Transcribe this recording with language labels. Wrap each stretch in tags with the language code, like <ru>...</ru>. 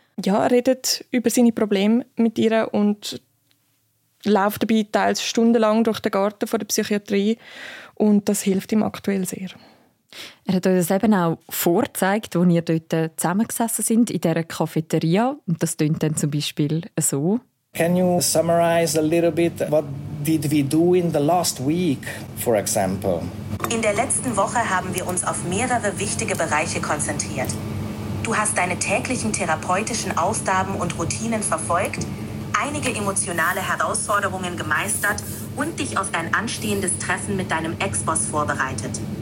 <de>Ja, er redet über seine Probleme mit ihr und läuft dabei teils stundenlang durch den Garten der Psychiatrie und das hilft ihm aktuell sehr. Er hat uns eben auch vorgezeigt, wo wir dort zusammengesessen sind, in dieser Cafeteria. Und das klingt dann zum Beispiel so.</de> <en>Can you summarize a little bit, what did we do in the last week, for example?</en> <de>In der letzten Woche haben wir uns auf mehrere wichtige Bereiche konzentriert. Du hast deine täglichen therapeutischen Aufgaben und Routinen verfolgt, einige emotionale Herausforderungen gemeistert und dich auf ein anstehendes Treffen mit deinem Ex-Boss vorbereitet.</de>